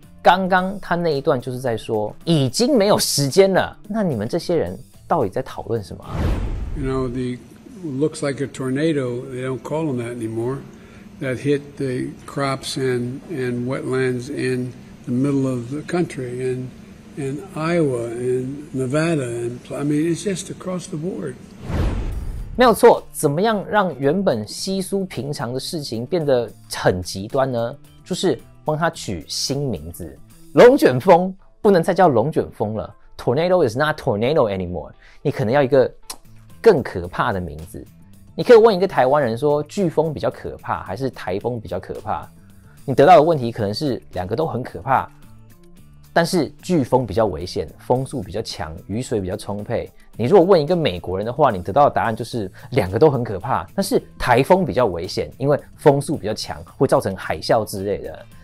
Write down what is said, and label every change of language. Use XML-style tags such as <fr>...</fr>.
<zh>刚刚他那一段就是在说已经没有时间了，那你们这些人到底在讨论什么？</zh> <en>You know, the looks like a tornado, they don't call them that anymore, that hit the crops and wetlands in the middle of the country, and Iowa, and Nevada, and I mean, it's just across the board.</en> <zh>没有错，怎么样让原本稀疏平常的事情变得很极端呢？就是帮他取新名字，龙卷风不能再叫龙卷风了。</zh> <en>Tornado is not tornado anymore.</en> <zh>你可能要一个更可怕的名字。你可以问一个台湾人说，飓风比较可怕还是台风比较可怕？你得到的问题可能是两个都很可怕，但是飓风比较危险，风速比较强，雨水比较充沛。你如果问一个美国人的话，你得到的答案就是两个都很可怕，但是台风比较危险，因为风速比较强，会造成海啸之类的。</zh>